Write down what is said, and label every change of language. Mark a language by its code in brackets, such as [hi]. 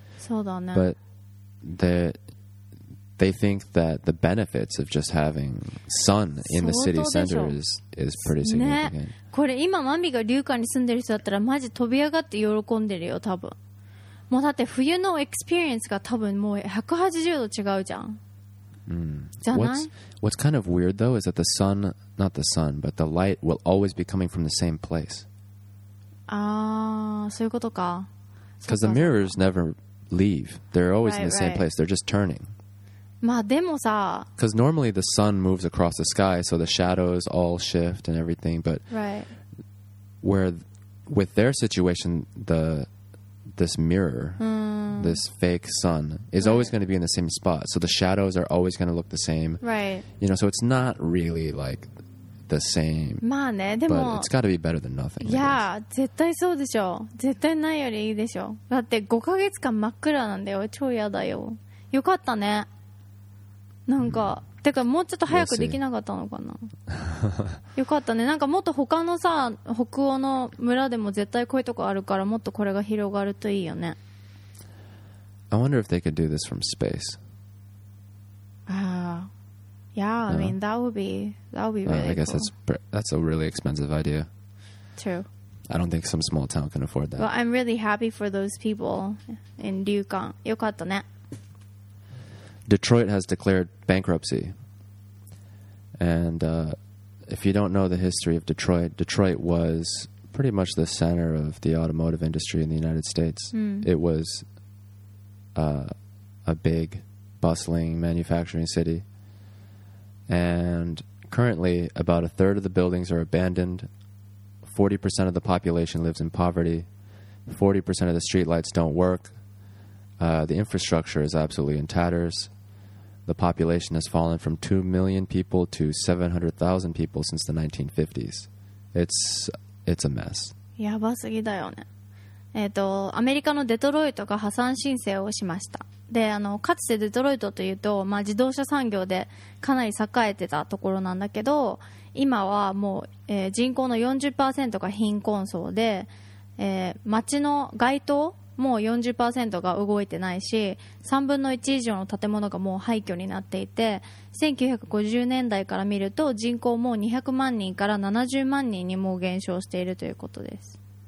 [ja] そうだね。 [en] But they think that the benefits of just having sun in the city center is pretty significant. [ja] ね、これ今マミが龍関に住んでる人だったらマジ飛び上がって喜んでるよ多分。もうだって冬のエクスペリエンスが多分もう180度違うじゃん。 [en] What's kind of weird though is that the sun, not the sun, but the light will always be coming from the same place. [ja] そういうことか。 [en] Because the mirrors never leave. They're always in the same place. They're just turning. [ja] まあでもさ。 [en] Because normally the sun moves across the sky, so the shadows all shift and everything. But with their situation, this mirror, this fake sun, is always going to be in the same spot. So the shadows are always going to look the same. Right. You know, so it's not really like the same. [ja] まあね、でも。 [en] But it's got to be better than nothing. [ja] Yeah, 絶対そうでしょ。絶対ないよりいいでしょ。だって5ヶ月間真っ暗なんだよ。超嫌だよ。よかったね。なんか、てかもうちょっと早くできなかったのかな。よかったね。なんかもっと他のさ、北欧の村でも絶対こういうとこあるから、もっとこれが広がるといいよね。 [en] I wonder if they could do this from space. Yeah, I mean, that would be really cool. I guess that's a really expensive idea. True. I don't think some small town can afford that. Well, I'm really happy for those people in Ryukan. [ja] よかったね。 [en] Detroit has declared bankruptcy. And if you don't know the history of Detroit, Detroit was pretty much the center of the automotive industry in the United States. It was... a big bustling manufacturing city, and currently about a third of the buildings are abandoned, 40% of the population lives in poverty, 40% of the streetlights don't work, the infrastructure is absolutely in tatters, the population has fallen from 2 million people to 700,000 people since the 1950s. It's It's a mess. [ja] やばすぎだよね。アメリカのデトロイトが破産申請をしました。で、かつてデトロイトというと、まあ、自動車産業でかなり栄えてたところなんだけど、今はもう、人口の 40% が貧困層で、街の街灯も 40% が動いてないし、3分の1以上の建物がもう廃墟になっていて、1950年代から見ると人口も200万人から70万人にもう減少しているということです。